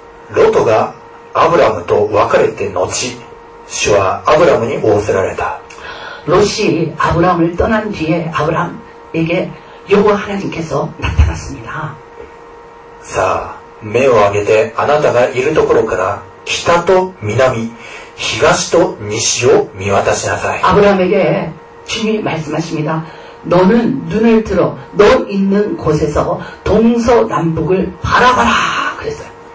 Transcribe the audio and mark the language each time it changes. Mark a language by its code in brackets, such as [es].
[ko] 롯이 아브라함과 헤어지고 아브라함이 오세라레다. 롯이 아브라함을 떠난 뒤에 아브라함에게 여호와 하나님께서 나타났습니다. 자, [ja] 目を上げてあなたがいるところから 北と南、東と西を見渡しなさい。 [ko] 아브라함에게 주님이 말씀하십니다. 너는 눈을 들어 너 있는 곳에서 동서남북을 바라봐라 그랬어요.